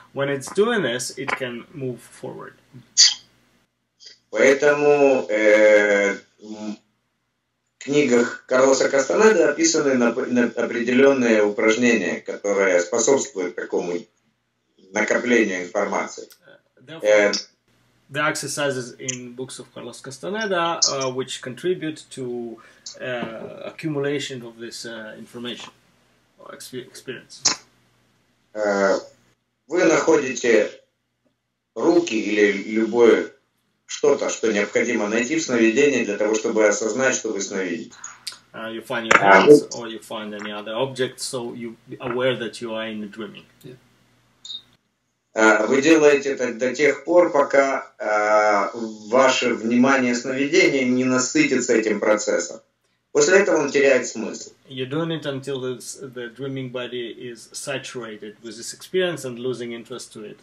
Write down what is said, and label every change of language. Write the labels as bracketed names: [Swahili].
[English] When it's doing this, it can move forward. [Russian] Поэтому в книгах Карлоса Кастанеды описаны на определенные упражнения, которые способствуют такому накоплению информации. [English] The exercises in books of Carlos Castaneda, which contribute to accumulation of this information or experience. [Russian] Вы находите руки или любое что-то, что необходимо найти в сновидении для того, чтобы осознать, что вы сновидите. [English] You find your hands or you find any other object, so you aware that you are in a dreaming. Yeah. [Russian] Вы делаете это до тех пор, пока ваше внимание сновидения не насытится этим процессом. После этого он теряет смысл. [English] You're doing it until the dreaming body is saturated with this experience and losing interest to it.